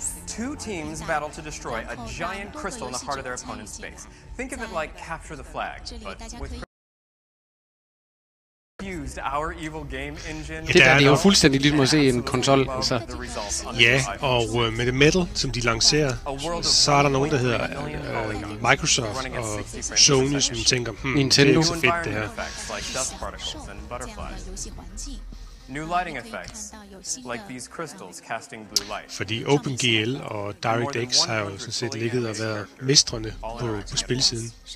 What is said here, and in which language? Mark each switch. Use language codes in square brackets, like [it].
[en] Two teams battle to destroy a giant crystal in the heart of their opponent's space. Think of it like capture the flag, but with used our evil game engine. [da] Det er jo fuldstændig ligesom at se en konsol, så. Ja, og med det Metal, som de lancerer, så er der nogen, der hedder Microsoft og Sony, som tænker, Nintendo. Det er ikke så fedt, det her. [en] New lighting effects, like these crystals casting blue light. [da] Fordi OpenGL og DirectX har jo sådan set ligget og været mestrene på spilsiden.